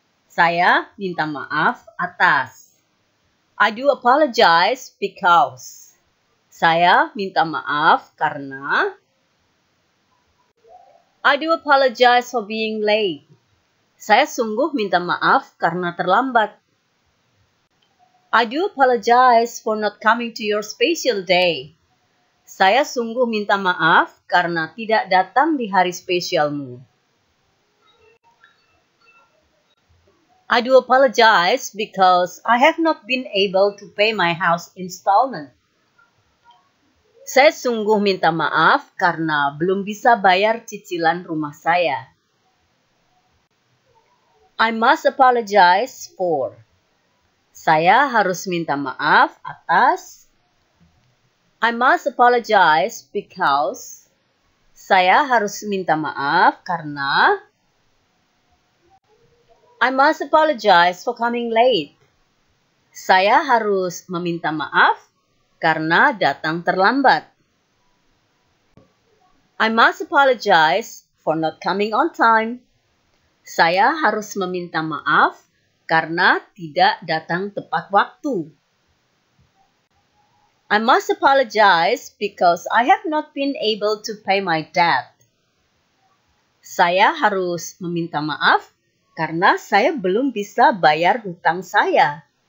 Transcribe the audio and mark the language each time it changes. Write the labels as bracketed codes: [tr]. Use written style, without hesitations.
[id] Saya minta maaf atas. [en] I do apologize because. [id] Saya minta maaf karena. [en] I do apologize for being late. [id] Saya sungguh minta maaf karena terlambat. [en] I do apologize for not coming to your special day. [id] Saya sungguh minta maaf karena tidak datang di hari spesialmu. [en] I do apologize because I have not been able to pay my house installment. [id] Saya sungguh minta maaf karena belum bisa bayar cicilan rumah saya. [en] I must apologize for. [id] Saya harus minta maaf atas. [en] I must apologize because. [id] Saya harus minta maaf karena. [en] I must apologize for coming late. [id] Saya harus meminta maaf karena datang terlambat. [en] I must apologize for not coming on time. [id] Saya harus meminta maaf karena tidak datang tepat waktu. [en] I must apologize because I have not been able to pay my debt. [id] Saya harus meminta maaf karena saya belum bisa bayar hutang saya.